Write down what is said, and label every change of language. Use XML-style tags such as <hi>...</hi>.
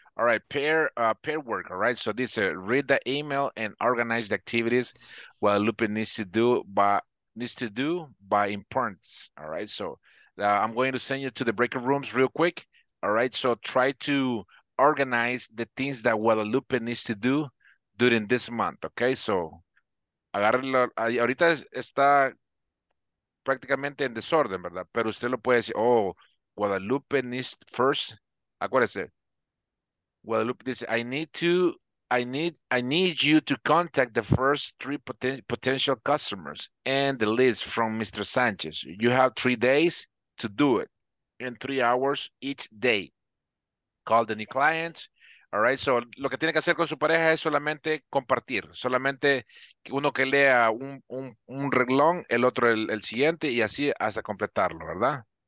<en>All right, pair work, all right? So this is read the email and organize the activities while Lupe needs to do by importance, all right? So I'm going to send you to the breakout rooms real quick, all right? So try to organize the things that Guadalupe needs to do during this month, okay?</en> <es>So agárrenlo, ahorita está prácticamente en desorden, ¿verdad? Pero usted lo puede decir, oh,</es> <en>Guadalupe needs first,</en> <es>acuérdese.</es> <en>Guadalupe</en> <es>dice,</es> <en>I need you to contact the first three potential customers and the list from Mr. Sanchez. You have 3 days to do it in 3 hours each day. Call the new client. All right, so</en> <es>lo que tiene que hacer con su pareja es solamente compartir. Solamente uno que lea un renglón, el otro el siguiente y así hasta completarlo, ¿verdad?</es>